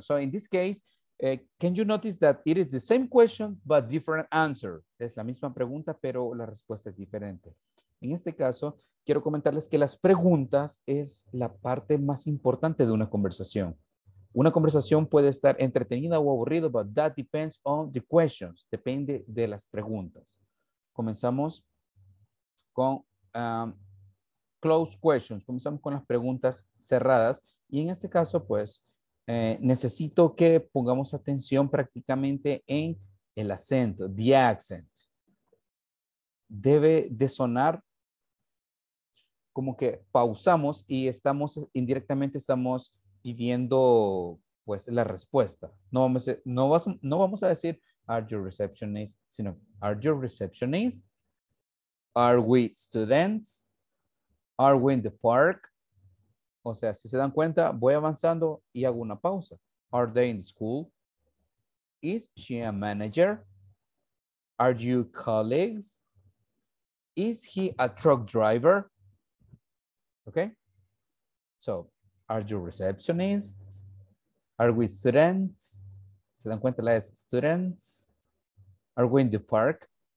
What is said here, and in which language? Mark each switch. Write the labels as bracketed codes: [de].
[en] So in this case, can you notice that it is the same question, but different answer? [es] Es la misma pregunta, pero la respuesta es diferente. En este caso, quiero comentarles que las preguntas es la parte más importante de una conversación. Una conversación puede estar entretenida o aburrida, [en] but that depends on the questions. [es] Depende de las preguntas. Comenzamos con [en] closed questions. [es] Comenzamos con las preguntas cerradas. Y en este caso, pues, necesito que pongamos atención prácticamente en el acento, [en] the accent. [es] Debe de sonar como que pausamos y estamos indirectamente estamos pidiendo pues la respuesta. No vamos a decir [en] are you receptionist, [es] sino [en] are you receptionist, are we students, are we in the park. [es] O sea, si se dan cuenta, voy avanzando y hago una pausa. [en] Are they in school, is she a manager, are you colleagues, is he a truck driver. Okay, so are you receptionists? Are we students? [es] ¿Se dan cuenta las [en] students? Are we in the park?